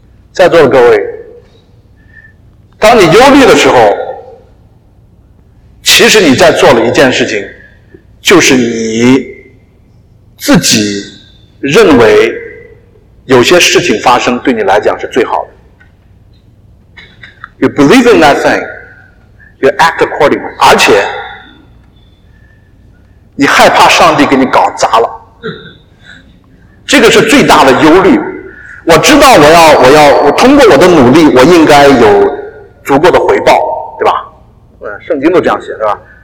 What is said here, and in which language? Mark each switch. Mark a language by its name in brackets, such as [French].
[Chinese] 在座的各位，当你忧虑的时候，其实你在做了一件事情，就是你自己认为有些事情发生对你来讲是最好的。 [English] You believe in that thing, you act accordingly。 [Chinese] 而且你害怕上帝给你搞砸了，这个是最大的忧虑。我知道我通过我的努力我应该有足够的回报，对吧？圣经都这样写，对吧？